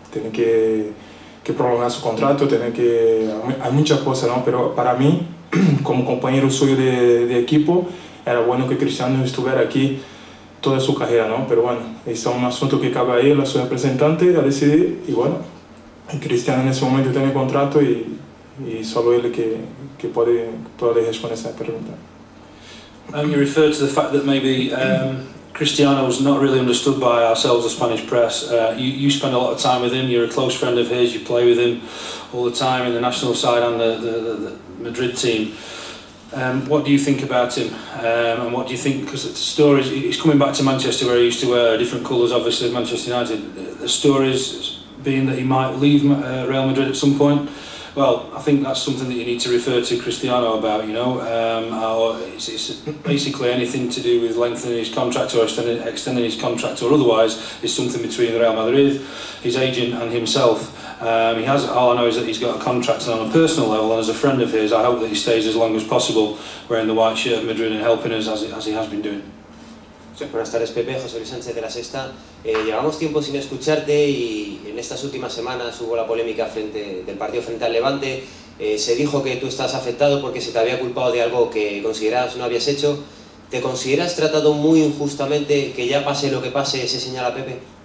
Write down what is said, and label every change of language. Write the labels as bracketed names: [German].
[Spanish] Tiene que prolongar su contrato, hay muchas cosas, ¿no? Pero para mí, como compañero suyo de equipo, era bueno que Cristiano estuviera aquí toda su carrera, ¿no? Pero bueno, es un asunto que cabe a él, a su representante, a decidir, y bueno, [Portuguese] E Cristiano nesse momento tem contrato e só ele que pode responder essa pergunta. [English] You referred to the fact that maybe Cristiano was not really understood by ourselves, the Spanish press. You spend a lot of time with him. You're a close friend of his. You play with him all the time in the national side and the Madrid team. What do you think about him? And what do you think, because the story is, he's coming back to Manchester where he used to wear different colours, obviously, Manchester United. The story is being that he might leave Real Madrid at some point. Well, I think that's something that you need to refer to Cristiano about, you know, or it's basically anything to do with lengthening his contract or extending his contract or otherwise is something between Real Madrid, his agent and himself. He has, all I know is that he's got a contract, and on a personal level and as a friend of his, I hope that he stays as long as possible wearing the white shirt of Madrid and helping us as he has been doing. [Spanish] Sí. Buenas tardes, Pepe. José Luis Sánchez de La Sexta. Llevamos tiempo sin escucharte y en estas últimas semanas hubo la polémica frente al Levante. Se dijo que tú estás afectado porque se te había culpado de algo que considerabas no habías hecho. ¿Te consideras tratado muy injustamente, que ya pase lo que pase, se señala Pepe?